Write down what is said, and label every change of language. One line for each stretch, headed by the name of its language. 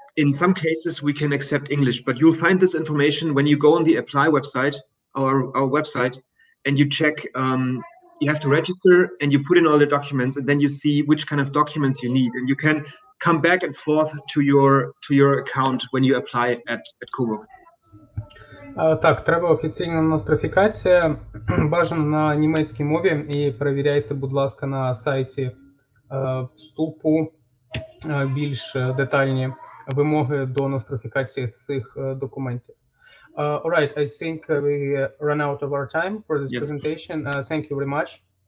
English: In some cases, we can accept English, but you'll find this information when you go on the apply website, our website, and you check, you have to register and you put in all the documents, and then you see which kind of documents you need. And you can come back and forth to your account when you apply at Kubo.
Ukrainian: Так, треба офіційна нострифікація, бажано на німецькій мові, і перевіряйте, будь ласка, на сайті вступу більш детальні вимоги до нострифікації цих документів.
English: All right, I think we run out of our time for this yes. presentation. Thank you very much.